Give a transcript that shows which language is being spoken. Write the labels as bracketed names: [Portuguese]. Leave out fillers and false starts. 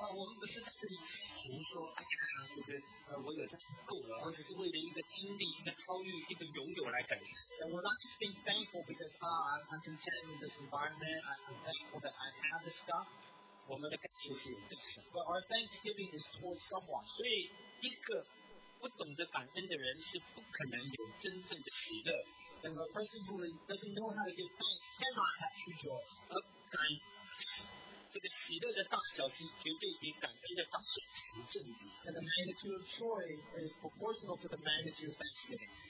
[Chinese] 我们不是在这里求说，哎呀，这个我有这够了，而只是为了一个经历、一个超越、一个拥有来感谢。 [English] And we're not just being thankful because I'm content with this environment. I'm thankful that I have this stuff. [Chinese] 我们的感谢是有对象。 [English] But our thanksgiving is towards someone. [Chinese] 所以一个不懂得感恩的人是不可能有真正的喜乐。 [English] And a person who doesn't know how to give thanks cannot have true joy. [Chinese] 而感这个喜乐的大小是绝对比感恩的大小成正比。 [English] And the magnitude of joy is proportional to the magnitude of thanksgiving.